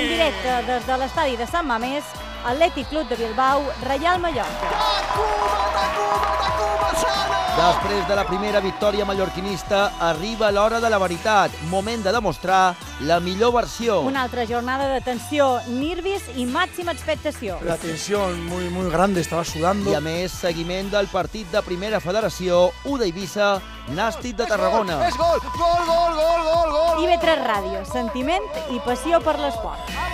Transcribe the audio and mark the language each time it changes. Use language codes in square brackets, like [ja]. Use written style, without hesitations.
[ca] En directe des de l'estadi de Sant Mamés, Athletic Club de Bilbao, Reial Mallorca. De Cuba, sana! Després de la primera victòria mallorquinista, arriba l'hora de la veritat, moment de demostrar la millor versió. Una altra jornada de tensió, nervis i màxima expectació. [es] La tensió muy, muy grande, estaba sudando. [ca] I a més, seguiment del partit de Primera Federació, U d'Eivissa, Nàstic de Tarragona. És gol, gol, gol, gol, gol, gol! IB3 Ràdio, sentiment i passió per l'esport.